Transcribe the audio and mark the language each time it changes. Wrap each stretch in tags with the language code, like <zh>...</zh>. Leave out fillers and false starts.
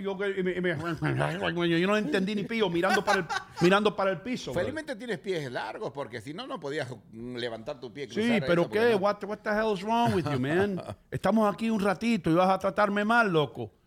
<es>Yo no entendí ni pío mirando para el piso. Felizmente tienes pies largos porque si no, no podías levantar tu pie. Sí, pero ¿qué?</es> <en>What the hell is wrong with you, man?</en> <es>Estamos aquí un ratito y vas a tratarme mal, loco.</es>